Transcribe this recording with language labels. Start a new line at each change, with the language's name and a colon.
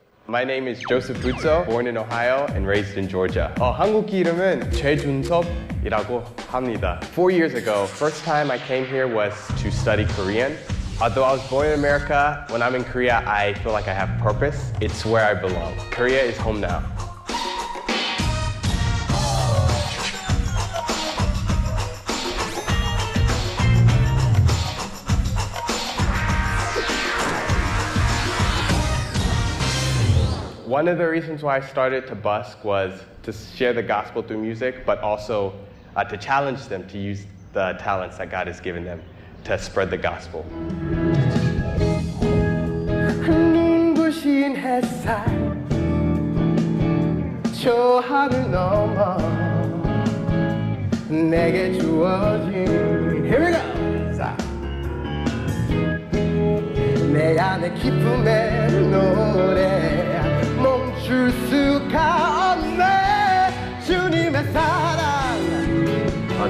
English: My name is Joseph Butzo, born in Ohio and raised in Georgia.
Korean: 한국 이름은 최준섭이라고 합니다.
English: 4 years ago, first time I came here was to study Korean. Although I was born in America, when I'm in Korea, I feel like I have purpose. It's where I belong. Korea is home now. 1 of the reasons why I started to busk was to share the gospel through music, but also to challenge them to use the talents that God has given them to spread the gospel.
Korean: 눈부신 햇살 저 하늘 넘어 내게 주어진
English: Here we go!
Korean: 내 안에 기쁨의 노래 줄 수가 없네 주님의 사랑.